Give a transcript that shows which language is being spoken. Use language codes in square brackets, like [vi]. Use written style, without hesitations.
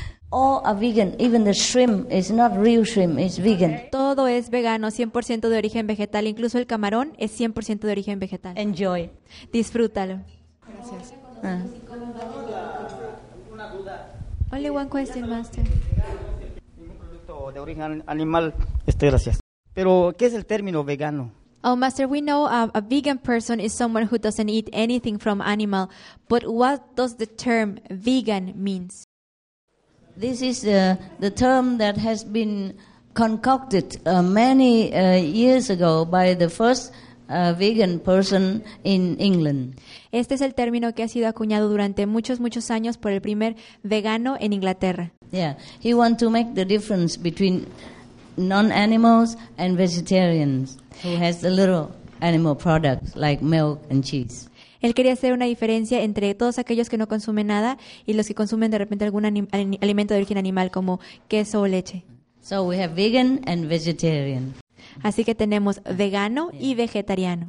[en] All are vegan, even the shrimp is not real shrimp, it's vegan. [es] Todo es vegano, 100% de origen vegetal, incluso el camarón es 100% de origen vegetal. [en] Enjoy. [es] Disfrútalo. Gracias. Una duda. [en] Only one question, master. [es] Ningún producto de origen animal. Gracias. Pero, ¿qué es el término vegano? [en] Oh, master, we know a vegan person is someone who doesn't eat anything from animal, but what does the term vegan means? This is the term that has been concocted many years ago by the first vegan person in England. [es] Este es el término que ha sido acuñado durante muchos años por el primer vegano en Inglaterra. [en] Yeah, he wants to make the difference between non-animals and vegetarians who has the little animal products like milk and cheese. [es] Él quería hacer una diferencia entre todos aquellos que no consumen nada y los que consumen de repente algún alimento de origen animal como queso o leche. [en] So we have vegan and vegetarian. [es] Así que tenemos vegano y vegetariano.